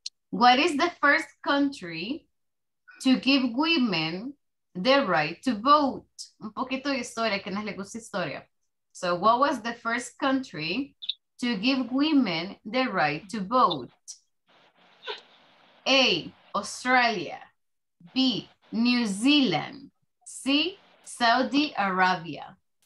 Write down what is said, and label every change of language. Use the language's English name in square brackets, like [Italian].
[English] What is the first country to give women the right to vote? [Spanish] Un poquito de historia, que no le gusta historia. [English] So what was the first country to give women the right to vote? A, Australia. B, New Zealand. C, Saudi Arabia.